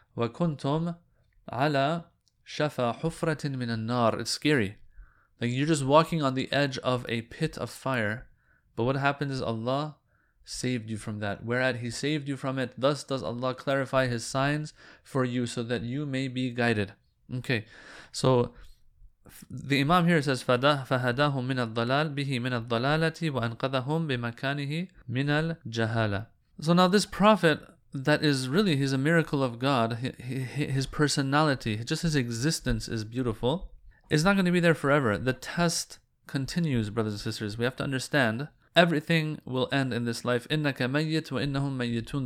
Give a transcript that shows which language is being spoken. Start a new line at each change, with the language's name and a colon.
Arabic: وَكُنْتُمْ عَلَى شَفَى حُفْرَةٍ مِنَ النَّارِ.
English: It's scary. Like, you're just walking on the edge of a pit of fire. But what happened is Allah saved you from that. Whereat He saved you from it, thus does Allah clarify His signs for you so that you may be guided. Okay, so the Imam here says,
Arabic: فَهَدَاهُمْ مِنَ الضَّلَالِ بِهِ مِنَ الضَّلَالَةِ وَأَنْقَذَهُمْ بِمَكَانِهِ مِنَ الْجَهَالَةِ.
English: So now this Prophet, that is really, he's a miracle of God. His personality, just his existence is beautiful. It's not going to be there forever. The test continues, brothers and sisters. We have to understand, everything will end in this life.
Arabic: إِنَّكَ مَيِّتْ وَإِنَّهُمْ مَيِّتُونَ.